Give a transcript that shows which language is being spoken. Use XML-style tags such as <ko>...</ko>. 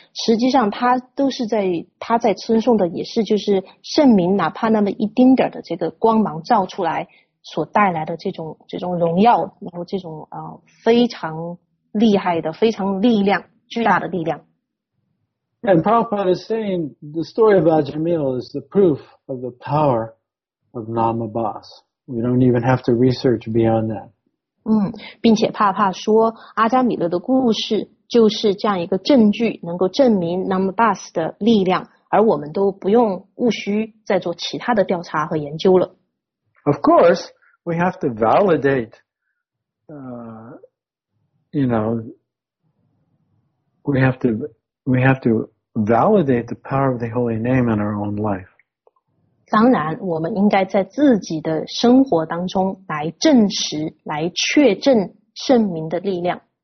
<zh>实际上，他在称颂的也是就是圣名，哪怕那么一丁点的这个光芒照出来。所带来的这种荣耀，然后这种非常厉害的、非常力量、巨大的力量。</zh> <en>And Prabhupada is saying the story of Vajramila is the proof of the power of Nama Bas. We don't even have to research beyond that.</en> <zh>并且帕说阿加米勒的故事就是这样一个证据，能够证明 Nama Bas 的力量，而我们都不用务需再做其他的调查和研究了。</zh> <en>Of course, we have to validate, we have to validate the power of the holy name in our own life.</en> <zh>当然，我们应该在自己的生活当中来证实、来确证圣名的力量。</zh>